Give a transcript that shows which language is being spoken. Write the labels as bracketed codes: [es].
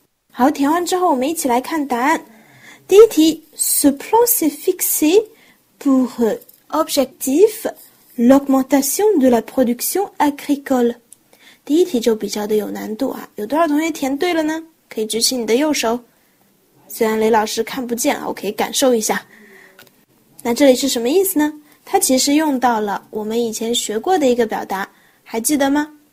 [zh] 好，填完之后我们一起来看答案。第一题 [fr] ce plan s'est fixé pour objectif l'augmentation de la production agricole. [zh] 第一题就比较的有难度啊，有多少同学填对了呢？可以举起你的右手。虽然雷老师看不见啊，我可以感受一下。那这里是什么意思呢？它其实用到了我们以前学过的一个表达，还记得吗？